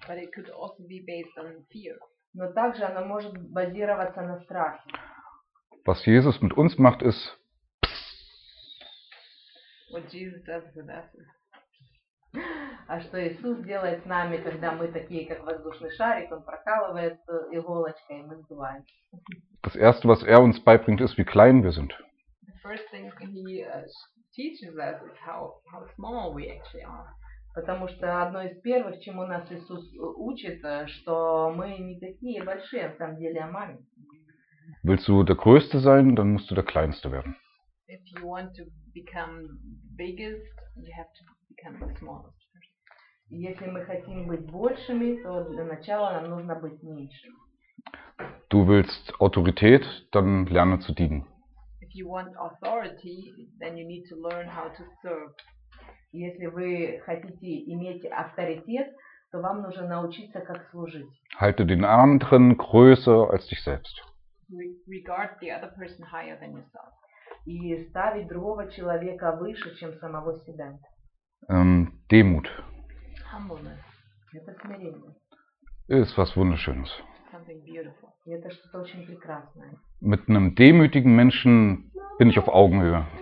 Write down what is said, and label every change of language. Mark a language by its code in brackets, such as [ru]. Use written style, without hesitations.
[en] But it could also be based on fear. [ru] Но также оно может базироваться на страхе. [de] Was Jesus mit uns macht, ist [en] What Jesus does with us. [ru] А что Иисус делает с нами, когда мы такие, как воздушный шарик, он прокалывает иголочкой, и мы сдуваем. [de] Das Erste, was uns beibringt, ist, wie klein wir sind. [en] The first thing he teaches us is how small we actually are. [ru] Потому что одно из первых, чему нас Иисус учит, что мы не такие большие, а в самом деле маленькие. [de] Willst du der Größte sein, dann musst du der Kleinste werden. [en] If you want to become biggest, you have to become the smallest. [ru] Если мы хотим быть большими, то для начала нам нужно быть меньшим. [de] Du willst Autorität, dann lerne zu dienen. [en] If you want authority, then you need to learn how to serve. [ru] Если вы хотите иметь авторитет, то вам нужно научиться, как служить. [de] Halte den anderen größer als dich selbst. [en] regard the other person higher than yourself. [ru] И ставить другого человека выше, чем самого себя. [de] Демут. [ru] Humbleness. Это смирение. Это что-то wunderschönes. [en] Something beautiful. [ru] Это что-то очень прекрасное. [de] Mit einem demütigen Menschen bin ich auf Augenhöhe.